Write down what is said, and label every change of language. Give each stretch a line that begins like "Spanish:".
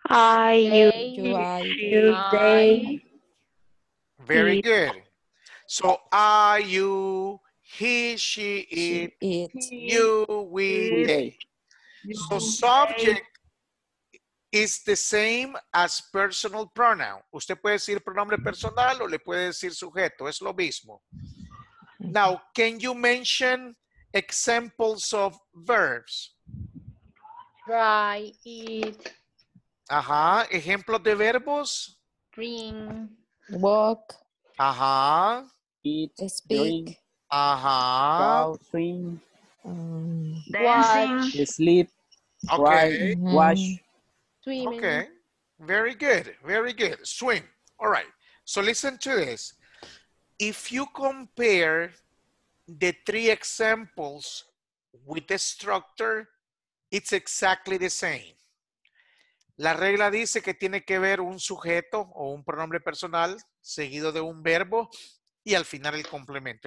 English: I, you, they. Very good. So, I, you, he, she, it. You, we, they. So, subject is the same as personal pronoun.
Spanish: Usted puede decir pronombre personal o le puede decir sujeto. Es lo mismo.
English: Now, can you mention examples of verbs? Dry, eat.
Spanish: Ajá. Ejemplos de verbos.
English: Dream. Walk. Ajá. Eat. Speak. Drink. Ajá. Walk, swim. Dancing. Sleep. Okay. Wash. Swimming. Okay. Very good. Swim. All right. So listen to this. If you compare the three examples with the structure, it's exactly the same.
Spanish: La regla dice que tiene que ver un sujeto o un pronombre personal seguido de un verbo y al final el complemento.